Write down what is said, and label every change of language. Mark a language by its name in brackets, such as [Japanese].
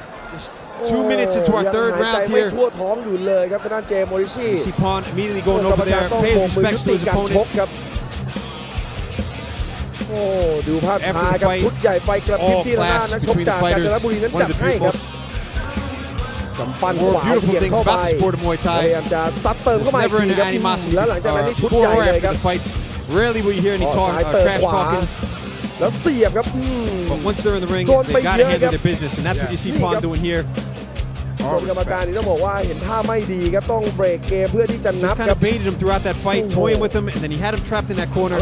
[English] Just 2 minutes into our third round here. You see Pawn immediately going over there, pays respects to his opponent. [Thai] ดูภาพช้ากับชุดใหญ่ไฟกระพริบที่หน้านักชกจากกาญจนบุรีนั้นจัดให้ครับกำปั้นขวาเขียนเข้าไปพยายามจะซัดเติมเข้ามาอีกทีครับแล้วหลังจากนั้นนี่ชุดใหญ่เลยครับ [English] Rarely will you hear any talk or trash talking [Thai] แล้วเสียบครับ [English] But once they're in the ring they got to handle their business and that's what you see Pawn doing here [Thai] กรรมการนี่ต้องบอกว่าเห็นท่าไม่ดีครับต้องเบรกเกมเพื่อที่จะนับครับ [English] Just kind of baited him throughout that fight, toying with him, and then he had him trapped in that corner.